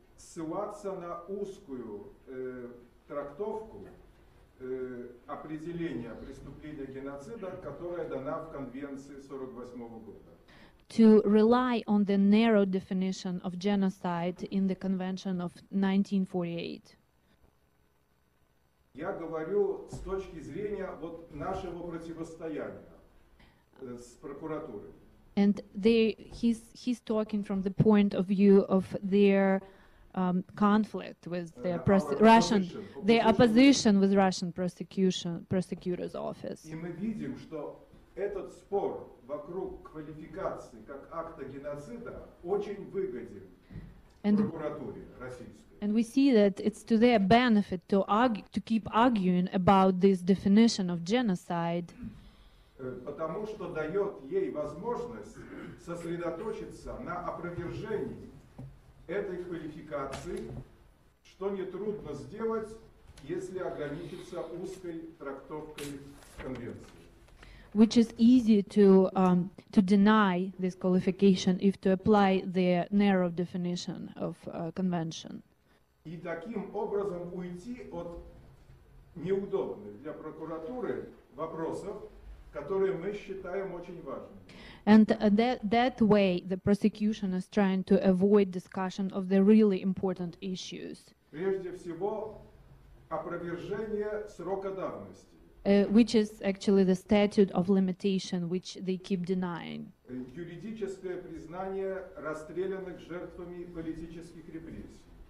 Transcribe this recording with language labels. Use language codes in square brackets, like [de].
[ru] ссылаться на узкую трактовку определения преступления геноцида, которая дана в конвенции 48 года. [en] To rely on the narrow definition of genocide in the convention of 1948. [ru] Я говорю с точки зрения вот нашего противостояния с прокуратурой. [en] And he's talking from the point of view of their conflict with their opposition with Russian prosecutor's office. [ru] И мы видим, что этот спор вокруг квалификации как акта геноцида очень выгоден прокуратуре российской. [en] And we see that it's to their benefit to argue, to keep arguing about this definition of genocide. [ru] Потому что дает ей возможность сосредоточиться на опровержении этой квалификации, что нетрудно сделать, если ограничиться узкой трактовкой конвенции. [en] Which is easy to deny this qualification if to apply the narrow definition of convention. [ru] И таким образом уйти от неудобных для прокуратуры вопросов, которые мы считаем очень важными. [en] And that way the prosecution is trying to avoid discussion of the really important issues. [ru] Прежде всего, опровержение срока давности. [en] Which is actually the statute of limitation, which they keep denying. [ru] Юридическое признание расстрелянных жертвами политических репрессий.